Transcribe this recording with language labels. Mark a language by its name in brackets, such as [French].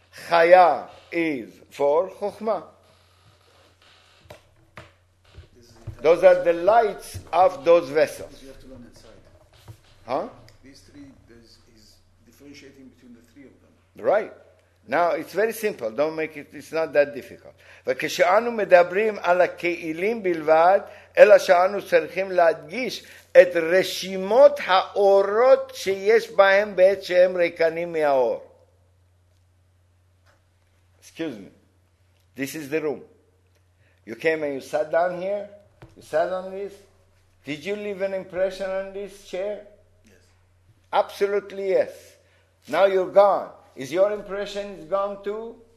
[English] Chaya is for chokhmah. Those are the lights of those vessels. You have to learn inside. Huh? These three is differentiating between the three of them. Right. Now, it's very simple. Don't make it, it's not that difficult. [Hebrew] וכשאנו מדברים על הכלים בלבד, אלא שאנו צריכים להדגיש את רשימות האורות שיש בהם בעת שהם ריקנים מהאור. [English] Excuse me. This is the room. You came and you sat down here? You sat on this? Did you leave an impression on this chair? Yes. Absolutely yes. Now you're gone. Is your impression gone too?